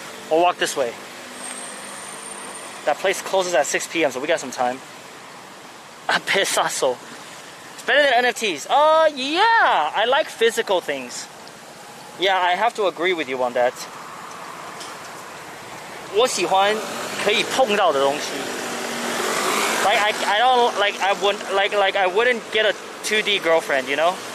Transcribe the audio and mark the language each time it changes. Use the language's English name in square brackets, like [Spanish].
[English] We'll walk this way. That place closes at 6 p.m., so we got some time. A pesazo. It's better than NFTs. Yeah! I like physical things. Yeah, I have to agree with you on that. [Chinese] 我喜欢可以碰到的东西。 [English] Like I don't like I wouldn't like I wouldn't get a 2D girlfriend, you know?